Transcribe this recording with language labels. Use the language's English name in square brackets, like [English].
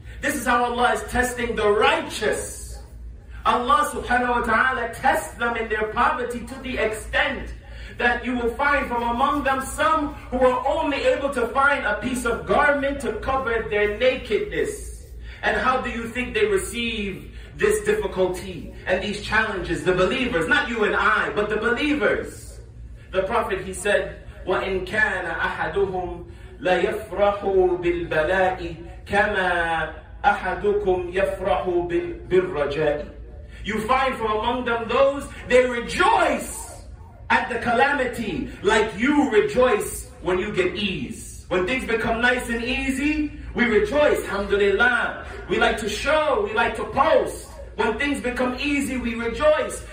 [English] This is how Allah is testing the righteous. Allah subhanahu wa ta'ala tests them in their poverty to the extent that you will find from among them some who are only able to find a piece of garment to cover their nakedness. And how do you think they receive this difficulty and these challenges? The believers, not you and I, but the believers. The Prophet, he said, [Arabic] وَإِنْ كَانَ أَحَدُهُمْ لَيَفْرَحُ بِالْبَلَاءِ كَمَا أَحَدُكُمْ يَفْرَحُ بِالرَّجَاءِ. [English] You find from among them those, they rejoice at the calamity, like you rejoice when you get ease. When things become nice and easy, we rejoice, alhamdulillah. We like to show, we like to post. When things become easy, we rejoice.